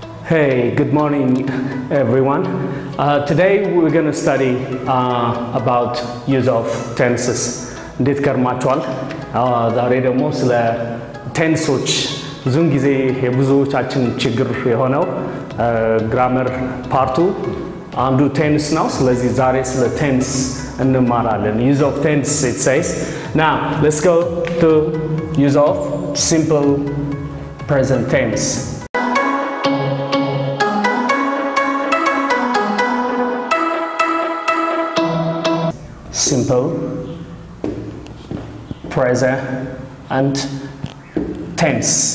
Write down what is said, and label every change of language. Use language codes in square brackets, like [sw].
[en] Hey, good morning, everyone. Today we're going to study about use of tenses. [am] እንዴት ከርማችኋል? ዛሬ ደግሞ ስለ ቴንሶች ብዙን ጊዜ የብዙዎቻችን ችግር የሆነው ግራመር ፓርቱ አንዱ ቴንስ ነው። ስለዚህ ዛሬ ስለ ቴንስ እንማራለን. [en] Use of tense, it says. Now, let's go to use of simple present tense. Simple present and tense.